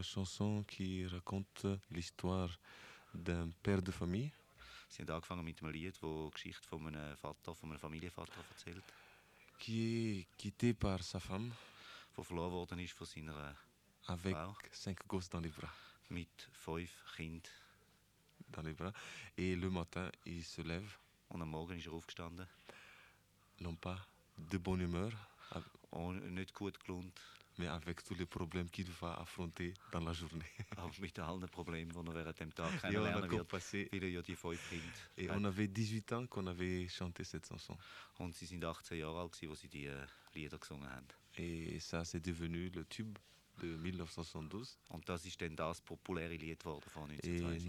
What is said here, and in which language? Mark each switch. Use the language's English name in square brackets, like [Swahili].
[French] chanson qui raconte l'histoire d'un père de famille. [German] Sie haben angefangen mit einem Lied, wo Geschichte von einem Vater, von einem Familienvater erzählt. [French] Qui est quitté par sa femme. [German] Wo verloren worden ist von seiner Frau. [French] Avec cinq gosses dans les bras. [German] Mit fünf Kindern. [French] Dans les bras. Et le matin, il se lève. [German] Und am Morgen ist aufgestanden. [French] Non pas de bonne humeur. [German] Nicht gut gelohnt. [French] Mais avec tous les problèmes qu'il va affronter dans la journée. [German] Aber mit allen Problemen, die er während dem Tag kennenlernen wird, weil er ja die fünf Kinder. [French] Et on avait 18 ans qu'on avait chanté cette chanson. [German] Und sie sind 18 Jahre alt, als sie die Lieder gesungen haben. [French] Et ça, c'est devenu le tube. De 1972. [German] Und das ist dann das populäre Lied worden von 1972.